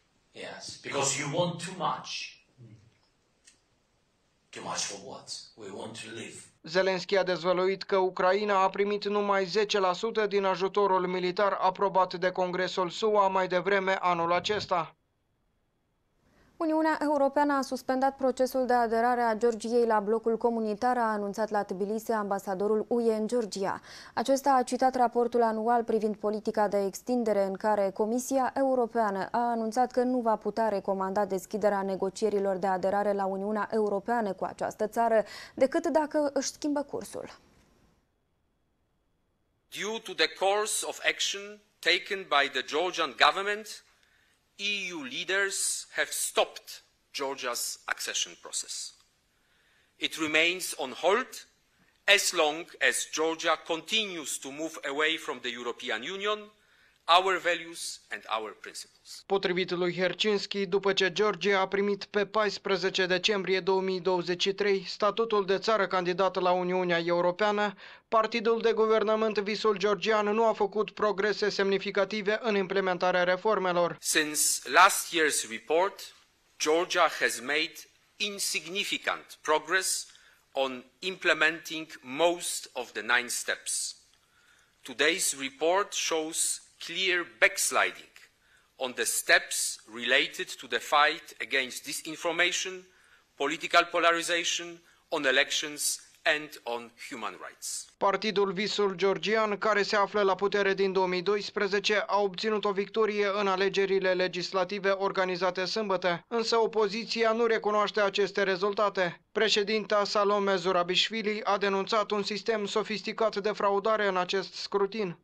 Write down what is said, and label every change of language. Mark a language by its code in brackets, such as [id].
[en] Yes, because you want too much. Too much for what? We want to live. [ro] Zelenski a dezvăluit că Ucraina a primit numai 10% din ajutorul militar aprobat de Congresul SUA mai devreme anul acesta. Uniunea Europeană a suspendat procesul de aderare a Georgiei la blocul comunitar, a anunțat la Tbilisi ambasadorul UE în Georgia. Acesta a citat raportul anual privind politica de extindere, în care Comisia Europeană a anunțat că nu va putea recomanda deschiderea negocierilor de aderare la Uniunea Europeană cu această țară, decât dacă își schimbă cursul. [en] Due to the course of action taken by the Georgian government, EU leaders have stopped Georgia's accession process. It remains on hold as long as Georgia continues to move away from the European Union, our values and our principles. [ro] Potrivit lui Hercinski, după ce Georgia a primit pe 14 decembrie 2023 statutul de țară candidată la Uniunea Europeană, partidul de guvernământ Visul Georgian nu a făcut progrese semnificative în implementarea reformelor. [en] Since last year's report, Georgia has made insignificant progress on implementing most of the 9 steps. Today's report shows clear backsliding on the steps related to the fight against disinformation, political polarization, on elections and on human rights. [ro] Partidul Visul Georgian, care se află la putere din 2012, a obținut o victorie în alegerile legislative organizate sâmbătă, însă opoziția nu recunoaște aceste rezultate. Președinta Salome Zurabishvili a denunțat un sistem sofisticat de fraudare în acest scrutin.